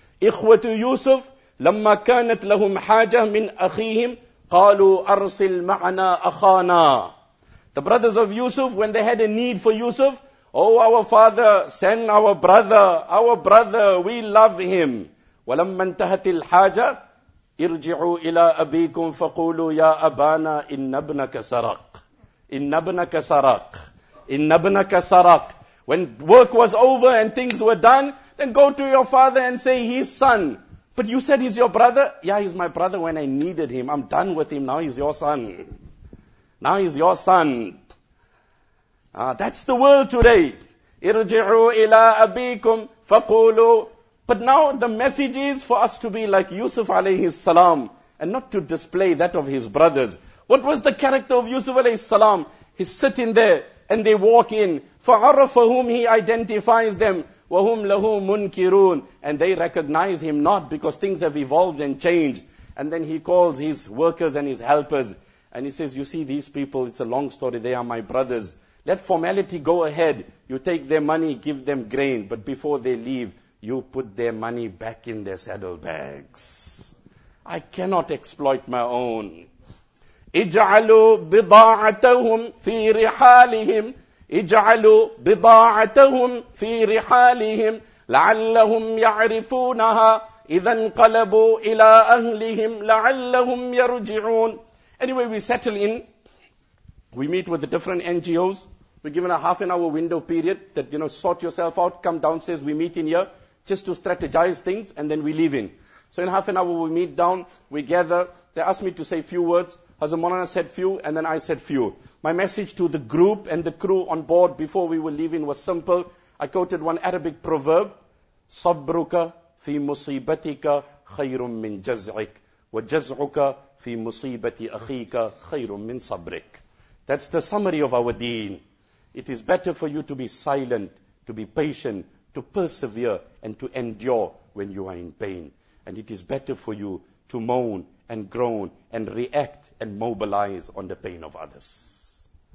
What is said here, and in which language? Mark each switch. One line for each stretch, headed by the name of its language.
Arabic: إِخْوَةُ يُوسُفْ لَمَّا كَانَتْ لَهُمْ حَاجَةٌ مِنْ أَخِيهِمْ قَالُوا أَرْسِلْ مَعَنَا أَخَانَا
English: The brothers of Yusuf, when they had a need for Yusuf, oh, our father, send our brother, we love him.
Arabic: وَلَمَّا انْتَهَتِ الْحَاجَةِ اِرْجِعُوا إِلَىٰ أَبِيكُمْ فَقُولُوا يَا أَبَانَا إِنَّ ابْنَكَ سَرَقْ إِنَّ ابْنَكَ سَرَقْ إِنَّ ابْنَكَ سَرَقْ
English: When work was over and things were done, then go to your father and say, his son. But you said he's your brother? Yeah, he's my brother when I needed him. I'm done with him. Now he's your son. Now he's your son. That's the world today.
Arabic: Irji'u ila abikum faqulu.
English: But now the message is for us to be like Yusuf alayhi salam and not to display that of his brothers. What was the character of Yusuf alayhi salam? He's sitting there and they walk in. Fa'arafa whom he identifies them.
Arabic: وَهُمْ لَهُ مُنْكِرُونَ
English: And they recognize him not because things have evolved and changed. And then he calls his workers and his helpers. And he says, you see these people, it's a long story, they are my brothers. Let formality go ahead. You take their money, give them grain. But before they leave, you put their money back in their saddlebags. I cannot exploit my own.
Arabic: اجعلوا بضاعتهم في رحالهم اجعلوا بضاعتهم في رحالهم لعلهم يعرفونها إذا انقلبوا إلى أهلهم لعلهم يرجعون.
English: Anyway, we settle in. We meet with the different NGOs. We're given a half an hour window period that, you know, sort yourself out, come downstairs, we meet in here, just to strategize things, and then we leave in. So in half an hour we meet down, we gather, they ask me to say few words. Hazrat Maulana said few, and then I said few. My message to the group and the crew on board before we were leaving was simple. I quoted one Arabic proverb,
Arabic: صَبْرُكَ فِي مُصِيبَتِكَ خَيْرٌ مِّن جَزْعِكَ وَجَزْعُكَ فِي مُصِيبَةِ أَخِيكَ خَيْرٌ مِّن صَبْرِكَ.
English: That's the summary of our deen. It is better for you to be silent, to be patient, to persevere and to endure when you are in pain. And it is better for you to moan and groan and react and mobilize on the pain of others.